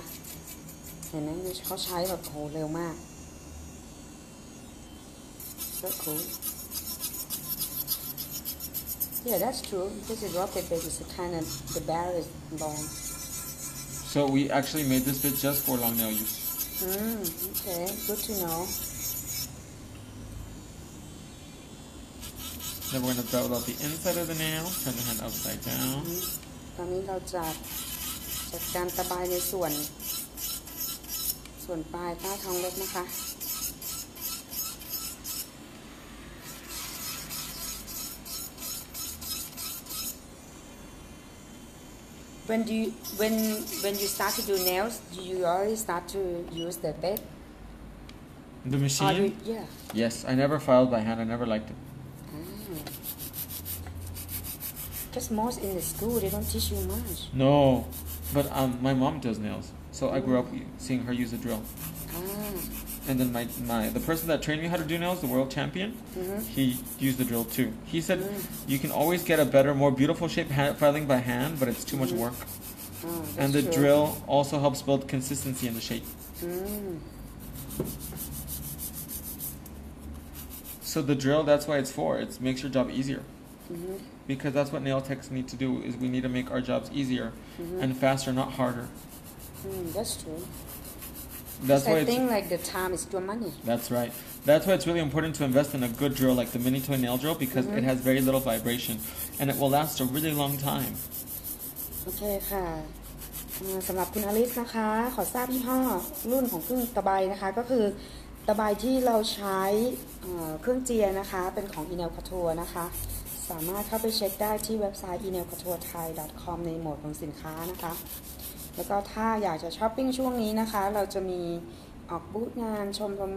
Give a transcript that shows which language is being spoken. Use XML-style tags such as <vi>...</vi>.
<th>ค่ะอันนี้เราใช้หัวเจียที่เรียกว่าร็อกเก็ตพิงค์นะคะซึ่งถ้าเป็นเล็บที่ยาวๆนะคะหัวนี้จะช่วยให้การตะไบมันง่ายขึ้นแล้วก็สามารถเข้าใกล้ในส่วนที่อยู่กับจมูกเล็บนะคะเห็นไหมดูเขาใช้แบบโหเร็วมากก็คือ</th> <en>Yeah, that's true. This is rocket bit. It's kind of the bar is long. So we actually made this bit just for long nail use. Okay. Good to know. Then we're gonna bevel out the inside of the nail. Turn the hand upside down.</en> <th>ตอนนี้เราจะจัดการตะไบในส่วนปลายใต้ท้องเล็บนะคะ</th> <en>When you start to do nails, do you already start to use the bit? The machine? Yes, I never filed by hand. I never liked it. Because most in the school, they don't teach you much. No, but my mom does nails. So I grew up seeing her use a drill. And then the person that trained me how to do nails, the world champion, he used the drill too. He said, you can always get a better, more beautiful shape filing by hand, but it's too much work. And the drill also helps build consistency in the shape. So the drill, that's why it's for. It makes your job easier. Because that's what nail techs need to do, is we need to make our jobs easier and faster, not harder. That's true. That's why I think like the time is your money. That's right. That's why it's really important to invest in a good drill like the mini toy nail drill because it has very little vibration and it will last a really long time.</en> <th>Okay, ค่ะสำหรับคุณอลิสนะคะขอทราบยี่ห้อรุ่นของเครื่องตะไบนะคะก็คือตะไบที่เราใช้เครื่องเจียนะคะเป็นของ Inel Couture นะคะสามารถเข้าไปเช็คได้ที่เว็บไซต์ inelcouturethai.com ในโหมดของสินค้านะคะแล้วก็ถ้าอยากจะช้อปปิ้งช่วงนี้นะคะเราจะมีออกบูธงานชม</th>